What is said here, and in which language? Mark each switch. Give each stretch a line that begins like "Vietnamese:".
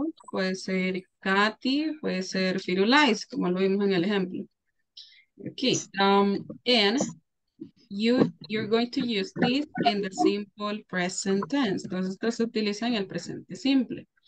Spanish: Puede ser Katy, puede ser Firulais, como lo vimos en el ejemplo.
English: Okay. And you're going to use this in the simple present tense.
Spanish: Entonces, esto se utiliza en el presente simple.